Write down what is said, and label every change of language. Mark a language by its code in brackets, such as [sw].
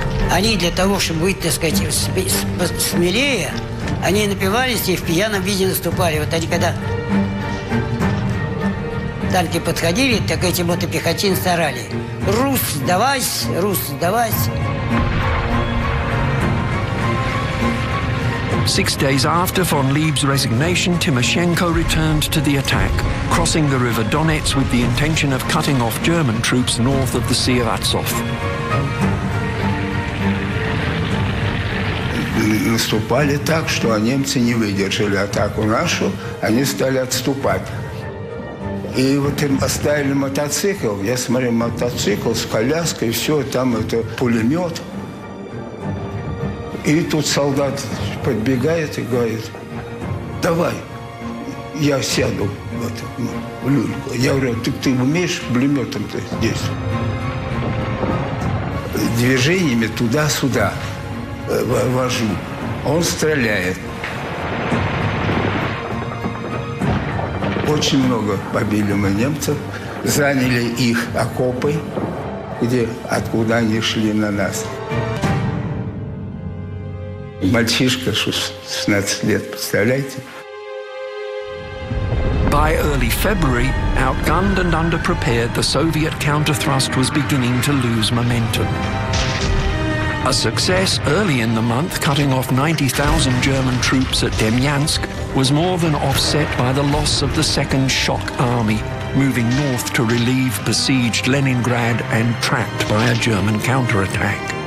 [ru] Они для того, чтобы быть, так сказать, смелее, они напивались и в пьяном виде наступали. Вот они когда танки подходили, так эти мотопехотинцы орали. Рус, сдавайся, рус, сдавайся. [en] 6 days after von Lieb's resignation, Timoshenko returned to the attack, crossing the river Donets with the intention of cutting off German troops north of the Sea of Azov. [ru] Наступали так, что немцы не выдержали атаку нашу, они стали отступать. И вот им оставили мотоцикл. Я смотрю, мотоцикл с коляской, все, там это пулемет. И тут солдат подбегает и говорит, давай, я сяду в эту люльку. Я говорю, ты умеешь пулеметом-то здесь? Движениями туда-сюда вожу. Он стреляет. Очень много побили мы немцев, заняли их окопы, где, откуда они шли на нас. Мальчишка, 16 лет, представляете? [en] By early February, outgunned and underprepared, the Soviet counter-thrust was beginning to lose momentum. A success early in the month, cutting off 90,000 German troops at Demyansk, was more than offset by the loss of the Second Shock Army, moving north to relieve besieged Leningrad and trapped by a German counterattack.